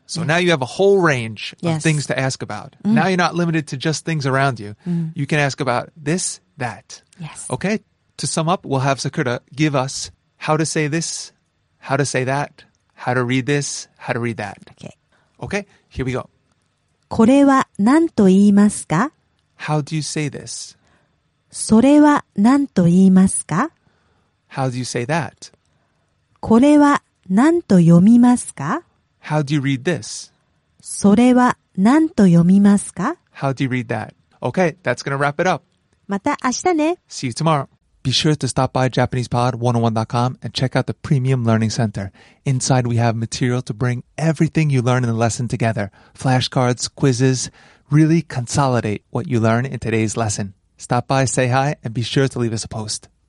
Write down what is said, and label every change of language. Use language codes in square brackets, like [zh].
[en] So now you have a whole range of things to ask about. Now you're not limited to just things around you. You can ask about this, that. Yes. Okay, to sum up, we'll have Sakura give us how to say this, how to say that, how to read this, how to read that. Okay. Okay, here we go. [ja] これは何と言いますか? [en] How do you say this? [ja] それは何と言いますか? [en] How do you say that? [ja] これは何と読みますか? [en] How do you read this? [ja] それは何と読みますか? [en] How do you read that? Okay, that's going to wrap it up. [ja] また明日ね。 [en] See you tomorrow. Be sure to stop by JapanesePod101.com and check out the Premium Learning Center. Inside, we have material to bring everything you learn in the lesson together. Flashcards, quizzes, really consolidate what you learn in today's lesson. Stop by, say hi, and be sure to leave us a post.